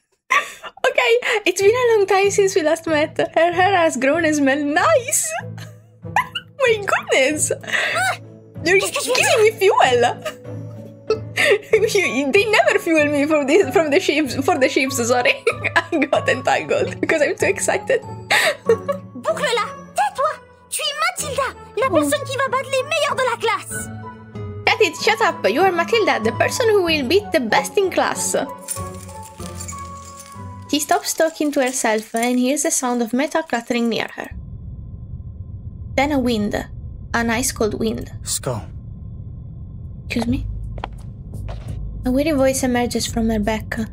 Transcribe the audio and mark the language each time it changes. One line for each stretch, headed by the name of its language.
English: Okay, it's been a long time since we last met. Her hair has grown and smelled nice. My goodness! You're giving me fuel! They never fuel me from the ships, sorry. I got entangled because I'm too excited.
French: Boucle-la! Tais-toi! Tu es Mathilda, la personne qui va battre les meilleurs de la classe!
English: Shut it, shut up! You are Matilda, the person who will beat the best in class! She stops talking to herself and hears the sound of metal clattering near her. Then a wind. An ice cold wind. Skull. Excuse me? A weary voice emerges from her back.